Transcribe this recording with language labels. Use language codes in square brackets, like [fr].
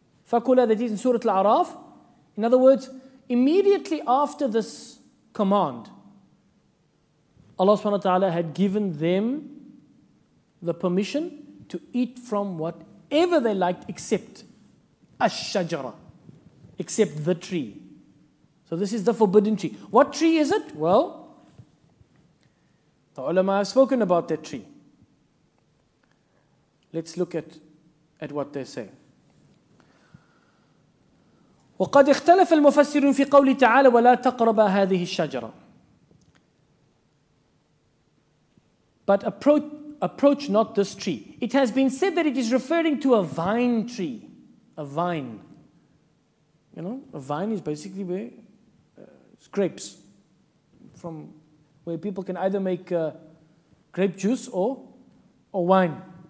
[en] Fakula, that is in Surah Al-A'raf. In other words, immediately after this command, Allah subhanahu wa ta'ala had given them the permission to eat from whatever they liked except ash-shajara, except the tree. So this is the forbidden tree. What tree is it? Well, the ulama have spoken about that tree. Let's look at what they say. [ar] وَقَدْ اِخْتَلَفَ الْمُفَسِّرُونَ فِي قَوْلِ تَعَالَى وَلَا تَقْرَبَ هَذِهِ الشَّجَرَةِ [en] But approach not this tree. It has been said that it is referring to a vine tree. A vine. You know, a vine is basically where grapes, from where people can either make grape juice or wine.